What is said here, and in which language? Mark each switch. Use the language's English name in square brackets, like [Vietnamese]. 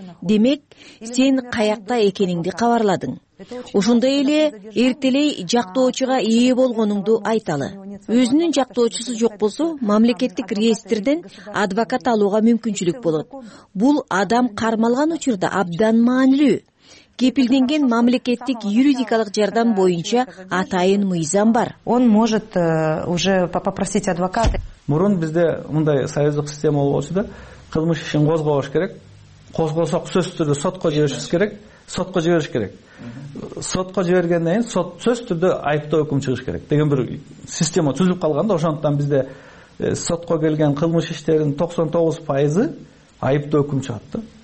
[Kyrgyz] Демек, сен каякта экениңди кабарладың. Ошондой эле эртелей жактоочуга ээ болгонуңду айталы. Өзүнүн жактоочусу жок болсо, мамлекеттик реестрден адвокат алууга мүмкүнчүлүк болот. Бул адам кармалган учурда абдан маанилүү. Кепилденген мамлекеттик юридикалык жардам боюнча атайын мыйзам бар. [Russian] Он может уже попросить адвоката. [Kyrgyz] Мурун бизде мындай союздук система болбосо да, кылмыш ишин козгобош керек. Козгосок сөзсүз түрдө сотко жиберишибиз керек, сотко жибериш керек. Сотко жибергенден кийин сот сөзсүз түрдө айыптоо өкүм чыгыш керек деген бир система түзүлүп калган да, ошондуктан бизде сотко келген кылмыш иштердин 99% айыптоо өкүм чыгат да.